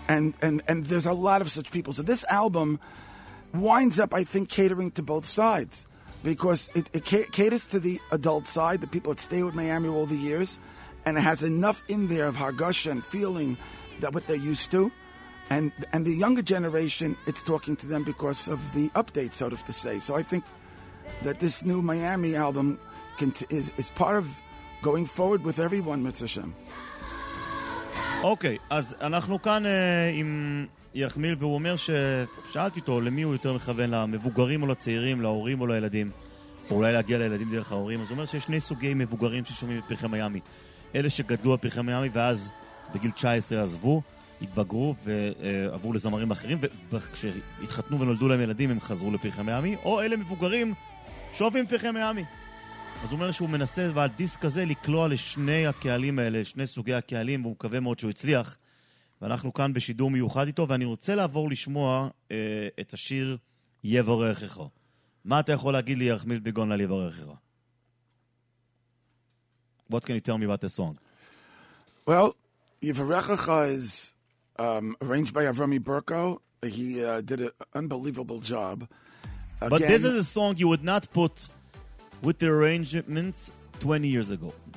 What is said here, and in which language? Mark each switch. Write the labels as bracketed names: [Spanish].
[English] And there's a lot of such people. So this album winds up, I think, catering to both sides, because it caters to the adult side, the people that stay with Miami all the years, and it has enough in there of hargusha and feeling that what they're used to. And the younger generation, it's talking to them because of the update, sort of to say. So I think that this new Miami album is part of going forward with everyone, Mitzvah Shem. [Hebrew] אוקיי, אז אנחנו כאן עם יחמיל, והוא אומר ששאלתי אותו למי הוא יותר מכוון, למבוגרים או לצעירים, להורים או לילדים, או אולי להגיע לילדים דרך ההורים. אז הוא אומר שיש שני סוגי מבוגרים ששומעים את פרחי מיימי. אלה שגדלו את פרחי מיימי ואז בגיל 19 עזבו, התבגרו ועברו לזמרים אחרים, וכשהתחתנו ונולדו להם ילדים הם חזרו לפרחי מיימי, או אלה מבוגרים שאוהבים פרחי מיימי. אז הוא אומר שהוא מנסה ועל דיסק הזה לקלוע לשני הקהלים האלה, שני סוגי הקהלים, והוא מקווה מאוד שהוא הצליח. ואנחנו כאן בשידור מיוחד איתו, ואני רוצה לעבור לשמוע את השיר יברכך. מה אתה יכול להגיד לי, יחמיל ביגון, על יברכך? [English] What can you tell me about the song? Well, יברכך is arranged by Avrami Berko. He did an unbelievable job. Again, but this is a song you would not put with the arrangements 20 years ago.